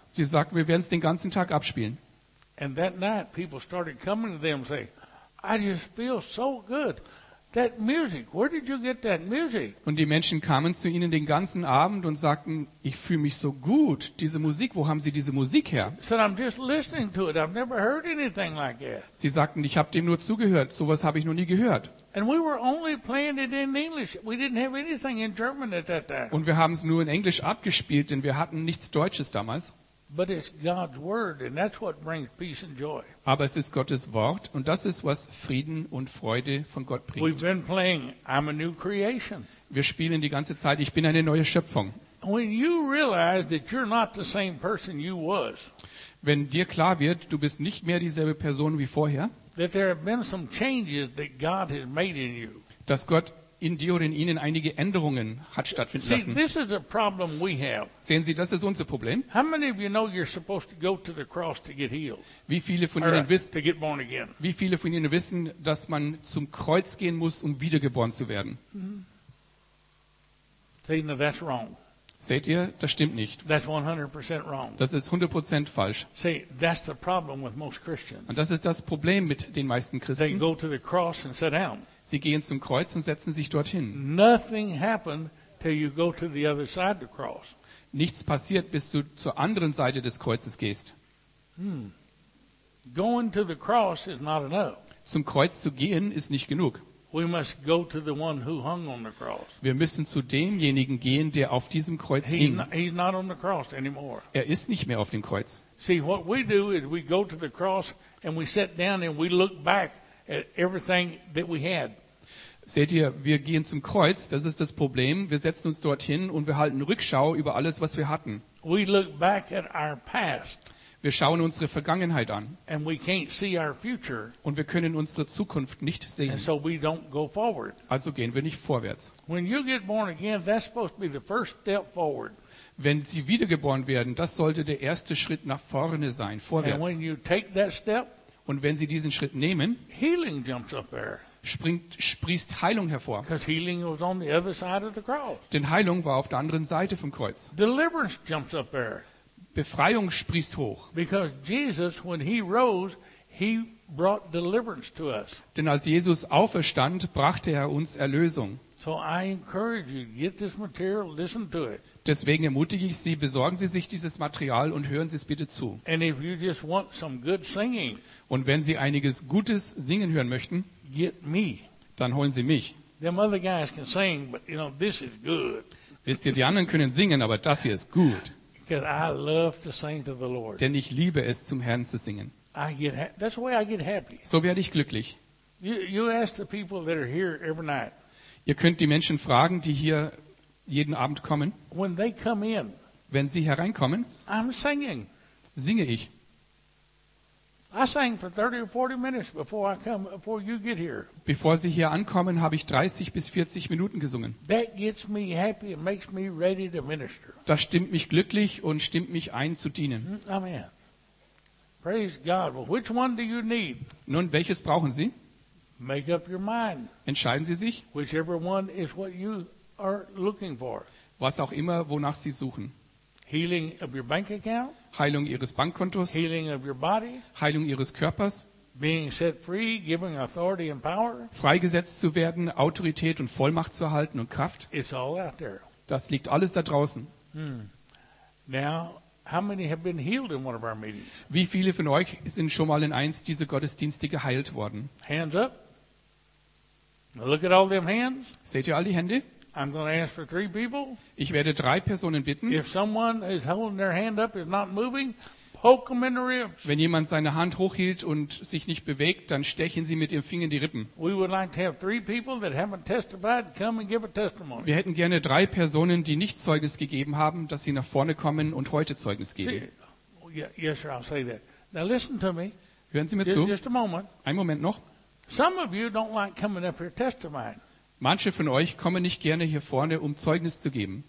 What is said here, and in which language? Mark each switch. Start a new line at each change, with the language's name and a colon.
German: Sie sagten, wir werden es den ganzen Tag abspielen.
English: And that night, people started coming to them and say, I just feel so good. That music, where did you get that music?
German: Und die Menschen kamen zu ihnen den ganzen Abend und sagten, ich fühle mich so gut. Diese Musik, wo haben Sie diese Musik her?
English: I'm just listening to it. I've never heard anything like that.
German: Sie sagten, ich habe dem nur zugehört. Sowas habe ich noch nie gehört.
English: And we were only playing it in English. We didn't have anything in German at that time.
German: Und wir haben es nur in Englisch abgespielt, denn wir hatten nichts Deutsches damals.
English: But it's God's word, and that's what brings peace and joy.
German: Aber es ist Gottes Wort, und das ist, was Frieden und Freude von Gott bringt.
English: We've been playing, I'm a new creation.
German: Wir spielen die ganze Zeit, ich bin eine neue Schöpfung.
English: When you realize that you're not the same person you was,
German: wenn dir klar wird, du bist nicht mehr dieselbe Person wie vorher,
English: that there have been some changes that God has made in you,
German: dass Gott in dir oder in ihnen einige Änderungen hat stattfinden lassen.
English: See, this is a problem we have.
German: Sehen Sie, das ist unser Problem.
English: How many of you know you're supposed to go to the cross to get healed?
German: Wie viele von Ihnen wissen,
English: to get born again?
German: Wie viele von Ihnen wissen, dass man zum Kreuz gehen muss, um wiedergeboren zu werden?
English: See, now that's wrong.
German: Seht ihr, das stimmt nicht.
English: That's 100% wrong.
German: Das ist 100% falsch.
English: See, that's the problem with most Christians.
German: Und das ist das Problem mit den meisten Christen.
English: They go to the cross and sit down.
German: Sie gehen zum Kreuz und setzen sich dorthin.
English: Nothing happened till you go to the other side of the cross.
German: Nichts passiert, bis du zur anderen Seite des Kreuzes gehst.
English: Going to the cross is not enough.
German: Zum Kreuz zu gehen ist nicht genug.
English: We must go to the one who hung on the cross.
German: Wir müssen zu demjenigen gehen, der auf diesem Kreuz hing.
English: He's not on the cross anymore.
German: Er ist nicht mehr auf dem Kreuz.
English: See, what we do is we go to the cross and we sit down and we look back at everything that we had.
German: Seht ihr, wir gehen zum Kreuz, das ist das Problem. Wir setzen uns dorthin und wir halten Rückschau über alles, was wir hatten.
English: We look back at our past.
German: Wir schauen unsere Vergangenheit an.
English: And we can't see our future.
German: Und wir können unsere Zukunft nicht sehen.
English: And so we don't go forward.
German: Also gehen wir nicht vorwärts.
English: When you get born again, that's supposed to be the first step forward.
German: Wenn Sie wiedergeboren werden, das sollte der erste Schritt nach vorne sein, vorwärts.
English: And when you take that step,
German: und wenn Sie diesen Schritt nehmen,
English: healing jumps up there.
German: Sprießt Heilung hervor.
English: Because healing was on the other side of the cross.
German: Denn Heilung war auf der anderen Seite vom Kreuz.
English: Deliverance jumps up there.
German: Befreiung sprießt hoch.
English: Because Jesus, when he rose, he brought deliverance to us.
German: Denn als Jesus auferstand, brachte er uns Erlösung.
English: So I encourage you, get this material, listen to it.
German: Deswegen ermutige ich Sie, besorgen Sie sich dieses Material und hören Sie es bitte zu.
English: And if you just want some good singing,
German: und wenn Sie einiges Gutes singen hören möchten,
English: get me.
German: Dann holen Sie mich.
English: Them other guys can sing, but you know, this is good.
German: Wisst ihr, die anderen können singen, aber das hier ist gut.
English: Because I love to sing to the Lord.
German: Denn ich liebe es, zum Herrn zu singen.
English: That's the way I get happy.
German: So werde ich glücklich.
English: You ask the people that are here every night.
German: Ihr könnt die Menschen fragen, die hier jeden Abend kommen.
English: When they come in,
German: wenn sie hereinkommen,
English: I'm singing.
German: Singe ich.
English: I sang for 30 or 40 minutes before you get here.
German: Bevor sie hier ankommen, habe ich 30 bis 40 Minuten gesungen.
English: That gets me happy and makes me ready to minister.
German: Das stimmt mich glücklich und stimmt mich ein zu dienen.
English: Amen. Praise God. Well, which one do you need?
German: Nun, welches brauchen Sie?
English: Make up your mind.
German: Entscheiden Sie sich.
English: Whichever one is what you are looking for.
German: Was auch immer, wonach Sie suchen.
English: Healing of your bank account.
German: Heilung Ihres Bankkontos.
English: Healing of your body.
German: Heilung Ihres Körpers.
English: Being set free, giving authority and power.
German: Freigesetzt zu werden, Autorität und Vollmacht zu erhalten und Kraft.
English: It's all out there.
German: Das liegt alles da draußen.
English: Now, how many have been healed in one of our meetings?
German: Wie viele von euch sind schon mal in eins dieser Gottesdienste geheilt worden?
English: Hands up. Look at all them hands.
German: Seht ihr all die Hände?
English: I'm going to ask for three people.
German: Ich werde drei Personen bitten.
English: If someone is holding their hand up, is not moving, poke them in the ribs.
German: Wenn jemand seine Hand hochhielt und sich nicht bewegt, dann stechen Sie mit Ihrem Finger in die Rippen.
English: We would like to have three people that haven't testified come and give a testimony.
German: Wir hätten gerne drei Personen, die nicht Zeugnis gegeben haben, dass sie nach vorne kommen und heute Zeugnis geben.
English: Yes, sir, I'll say that. Now listen to me.
German: Hören Sie mir zu.
English: Just a moment.
German: Ein Moment noch.
English: Some of you don't like coming up here testifying.
German: Manche von euch kommen nicht gerne hier vorne, um Zeugnis zu geben.